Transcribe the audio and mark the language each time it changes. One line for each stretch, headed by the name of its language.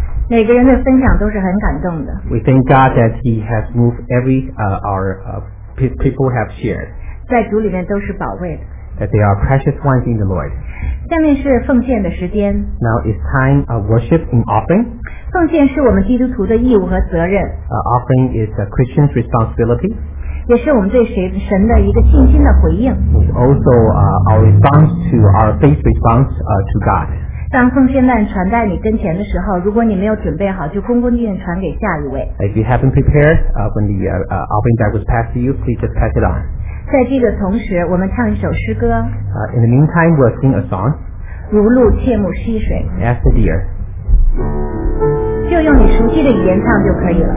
Chinese: 每个人的分享都是很感动的。
English: We thank God that He has moved every our people have shared.
Chinese: 在主里面都是宝贵的。
English: That they are precious ones in the Lord.
Chinese: 下面是奉献的时间。
English: Now is time of worship and offering.
Chinese: 奉献是我们基督徒的义务和责任。
English: Offering is a Christian's responsibility.
Chinese: 也是我们对神的一个信心的回应。
English: It's also our response to our faith response to God.
Chinese: 当奉献袋传在你跟前的时候，如果你没有准备好，就恭恭敬敬传给下一位。
English: If you haven't prepared, when the offering bag was passed to you, please just pass it on.
Chinese: 在这个同时，我们唱一首诗歌。
English: In the meantime, we'll sing a song.
Chinese: 如露切慕溪水。
English: As the deer.
Chinese: 就用你熟悉的语言唱就可以了。